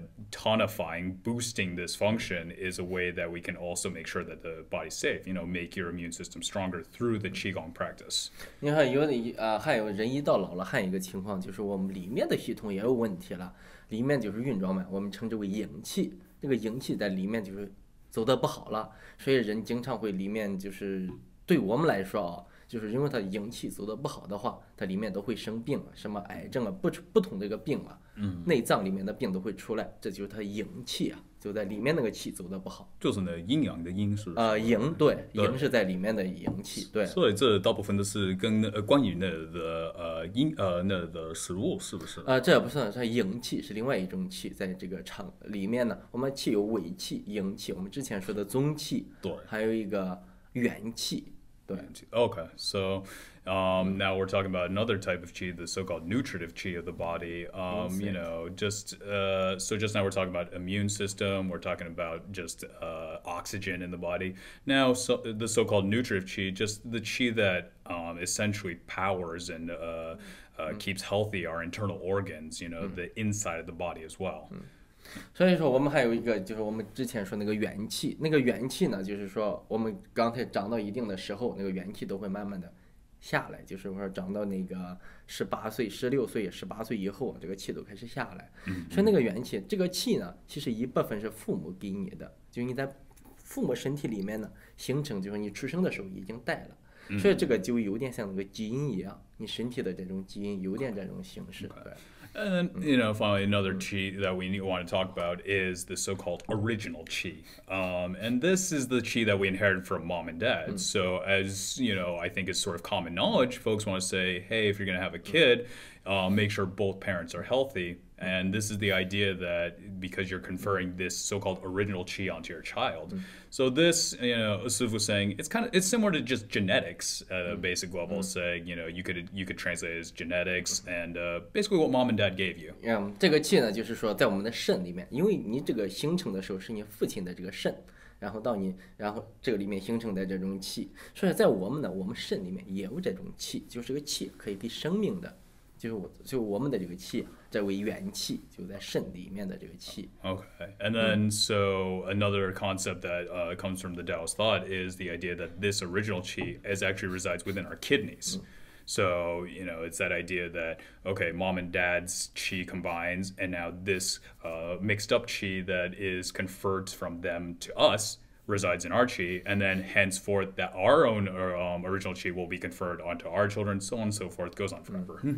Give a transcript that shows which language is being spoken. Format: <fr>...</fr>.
<en>tonifying, boosting this function is a way that we can also make sure that the body's safe, you know, make your immune system stronger through the qigong practice.</en> <zh>你看有的、还有人一到老了还有一个情况就是我们里面的系统也有问题了里面就是运转嘛我们称之为营气这个营气在里面就是走得不好了所以人经常会里面就是对我们来说、哦、就是因为他营气走得不好的话他里面都会生病什么癌症啊 不同的一个病啊内脏里面的病都会出来这就是它营气啊就在里面那个气走得不好就是那阴阳的阴是营对营是在里面的营气对所以这大部分都是跟、关于那的阴那的食物是不是这不算它营气是另外一种气在这个肠里面呢我们气有尾气营气我们之前说的宗气对还有一个元气对</zh> <en>okay soNow we're talking about another type of qi, the so-called nutritive qi of the body. You know, just, so just now we're talking about immune system, we're talking about just oxygen in the body. Now, so, the so-called nutritive qi, just the qi that essentially powers and keeps healthy our internal organs, you know, the inside of the body as well.</en> <zh>所以说我们还有一个就是我们之前说那个元气，那个元气呢，就是说我们刚才长到一定的时候，那个元气都会慢慢的下来就是说长到那个十八岁十六岁十八岁以后这个气都开始下来所以那个元气这个气呢其实一部分是父母给你的就是你在父母身体里面呢形成就是你出生的时候已经带了所以这个就有点像那个基因一样你身体的这种基因有点这种形式对</zh> <en>And then, you know, finally, another qi that we want to talk about is the so-called original qi. And this is the qi that we inherited from mom and dad. So as, you know, I think it's sort of common knowledge, folks want to say, hey, if you're going to have a kid, make sure both parents are healthy. And this is the idea that because you're conferring this so-called original qi onto your child. So this, you know, Asif was saying, it's similar to just genetics at a basic level, saying, you know, you could translate it as genetics and basically what mom and dad gave you.</en> <zh>Yeah, 这个气呢就是说在我们的肾里面因为你这个形成的时候是你父亲的这个肾然后到你然后这个里面形成的这种气所以在我们呢我们肾里面也有这种气就是个气可以给生命的就我们的这个气这为元气就在肾里面的这个气</zh> <en>Okay, and then so another concept that comes from the Taoist thought is the idea that this original qi is actually resides within our kidneys. So, you know, it's that idea that, okay, mom and dad's qi combines, and now this mixed up qi that is conferred from them to us resides in our qi, and then henceforth that our own original qi will be conferred onto our children, so on and so forth, goes on forever.</en>